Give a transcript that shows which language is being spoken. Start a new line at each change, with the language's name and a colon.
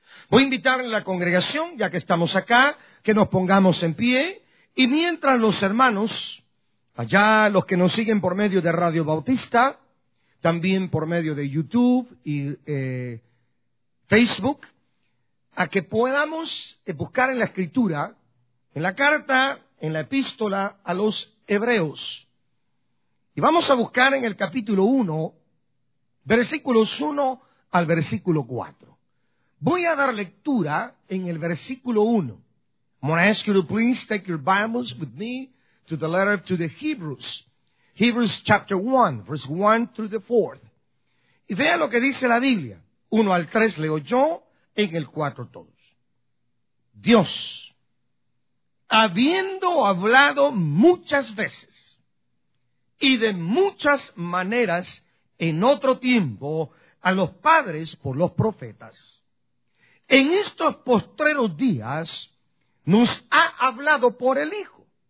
Spanish: Voy a invitar a la congregación, ya que estamos acá, que nos pongamos en pie, y mientras los hermanos, allá los que nos siguen por medio de Radio Bautista, también por medio de YouTube y Facebook, a que podamos buscar en la Escritura, en la carta, en la epístola a los hebreos. Y vamos a buscar en el capítulo 1, versículos 1 al versículo 4. Voy a dar lectura en el versículo 1.
English: I'm going to ask you to please take your Bibles with me to the letter to the Hebrews. Hebrews chapter 1, verse 1 through the 4th.
Spanish: Y vea lo que dice la Biblia. 1 al 3 leo yo, en el 4 todos. Dios, habiendo hablado muchas veces y de muchas maneras en otro tiempo a los padres por los profetas, en estos postreros días nos ha hablado por el Hijo,